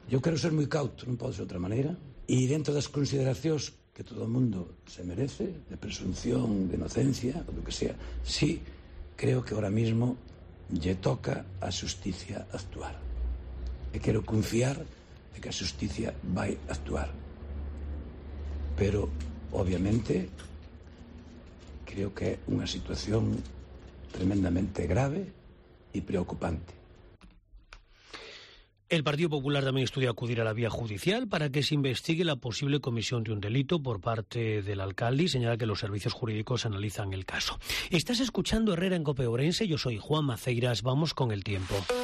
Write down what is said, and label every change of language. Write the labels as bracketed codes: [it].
[es] Yo quiero ser muy cauto, no puedo ser de otra manera. Y dentro de las consideraciones que todo el mundo se merece, de presunción, de inocencia, o lo que sea, sí creo que ahora mismo lle toca a justicia actuar. Y quiero confiar de que a justicia va a actuar. [gl] Pero, obviamente, creo que é unha situación tremendamente grave e preocupante. [es] El Partido Popular tamén estudia acudir a la vía judicial para que se investigue la posible comisión de un delito por parte del alcalde, y señala que los servicios jurídicos analizan el caso. Estás escuchando Herrera en COPE Ourense. Yo soy Juan Maceiras. Vamos con el tiempo.